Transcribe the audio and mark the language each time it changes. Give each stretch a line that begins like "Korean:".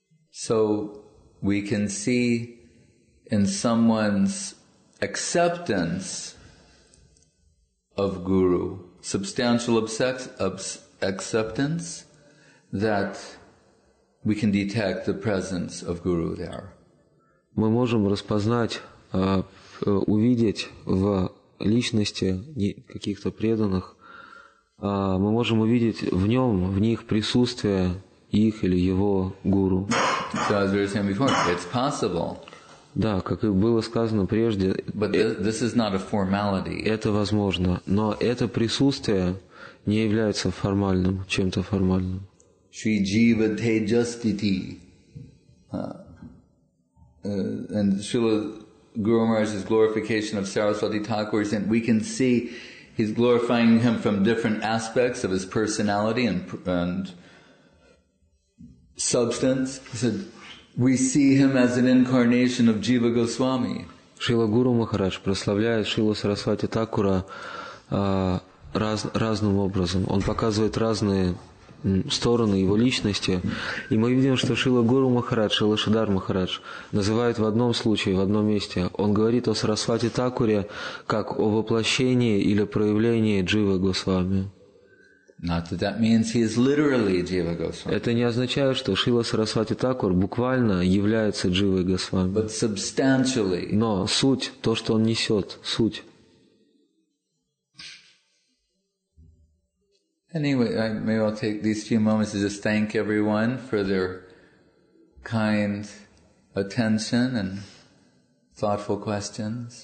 English: So we can see in someone's acceptance of Guru, substantial acceptance, that we can detect the presence of Guru there.
Russian: Мы можем распознать, увидеть в личности каких-то преданных, мы можем увидеть в нем, в них присутствие их или его Гуру.
English: So as we were saying before, it's possible.
Russian: Да, как и было сказано прежде,
English: this is not a formality.
Russian: Это возможно, но это присутствие не является формальным, чем-то формальным. Shri Jiva Tejastiti.
English: And Srila Guru Maharaj's glorification of Saraswati Thakur, and we can see he's glorifying him from different aspects of his personality and substance. He said, we see him as an incarnation of Jiva Goswami.
Russian: Шрила Гуру Махарадж прославляет Шрилу Сарасвати Такура разным образом. Он показывает разные стороны его личности. И мы видим, что Шрила Гуру Махарадж, Шрила Шридхар Махарадж называет в одном случае, в одном месте, он говорит о Сарасвати Такуре как о воплощении или проявлении Джива Госвами.
English: Not that that means he is literally Jiva Goswami.
Russian: Это не означает, что Шрила Сарасвати Такур буквально является Дживой Госвами.
English: But substantially.
Russian: Но суть, то, что он несет, суть.
English: Anyway, maybe I'll take these few moments to just thank everyone for their kind attention and thoughtful questions.